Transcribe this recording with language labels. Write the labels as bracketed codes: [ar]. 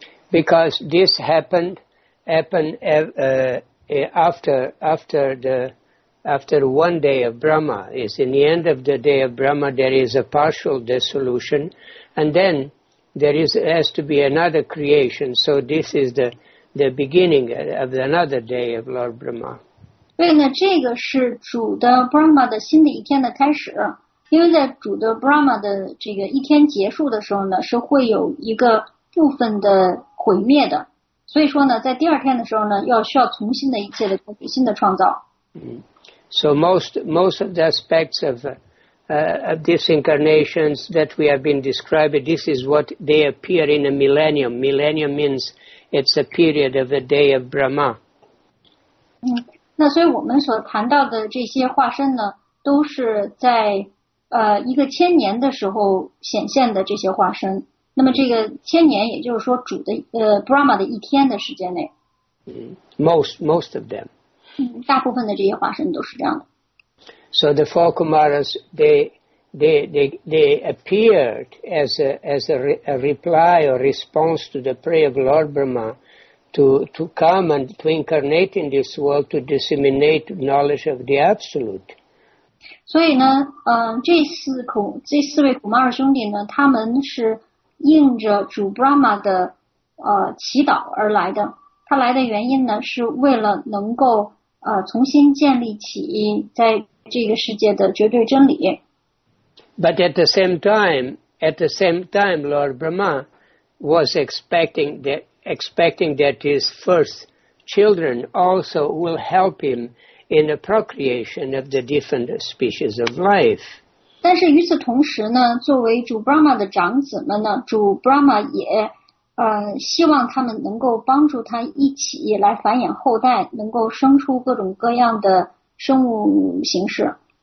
[en] Because this happened after one day of Brahma. It's in the end of the day of Brahma. There is a partial dissolution, and then there has to be another creation. So this is the beginning of another day of Lord Brahma. [zh] 所以呢，这个是主的 Brahma 的新的一天的开始。因为在主的 Brahma 的这个一天结束的时候呢，是会有一个部分的毁灭的。所以说呢，在第二天的时候呢，要需要重新的一切的开始，新的创造。 [en] So most of the aspects of these incarnations that we have been describing, this is what they appear in a millennium. Millennium means it's a period of a day of Brahma. [zh] 那所以我们所谈到的这些化身呢，都是在一个千年的时候显现的这些化身。那么这个千年，也就是说主的Brahma 的一天的时间内。 [en] Most of them. [zh] 大部分的这些化身都是这样的。 [en] So the four Kumaras they appeared as a reply or response to the prayer of Lord Brahma to come and to incarnate in this world to disseminate knowledge of the absolute. [zh] 所以呢，这四位 Kumara 兄弟呢，他们是应着主 Brahma 的祈祷而来的。他来的原因呢，是为了能够重新建立起在这个世界的绝对真理。 [en] But at the same time, Lord Brahma was expecting that his first children also will help him in the procreation of the different species of life. [zh] 但是与此同时呢，作为主 Brahma 的长子们呢，主 Brahma 也希望他们能够帮助他一起来繁衍后代，能够生出各种各样的生物形式。